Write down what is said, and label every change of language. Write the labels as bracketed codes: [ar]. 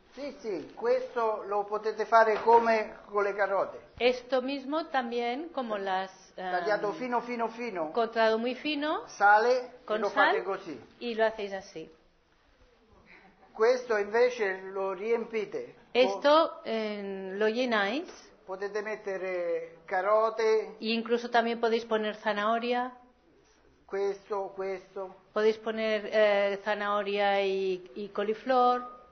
[es] Sí, sí, [it] questo lo potete fare come con le carote. [es] Esto mismo también como las [it] tagliato fino fino fino. [es] Cortado muy fino. [it] Sale con e lo [es] sal, [it] fate così. [es] Y lo hacéis así. [it] Questo invece lo riempite. [es] Esto lo llenáis. [it] Potete mettere carote. [es] Y incluso también podéis poner zanahoria. [it] Questo, questo. [es] Podéis poner zanahoria y coliflor.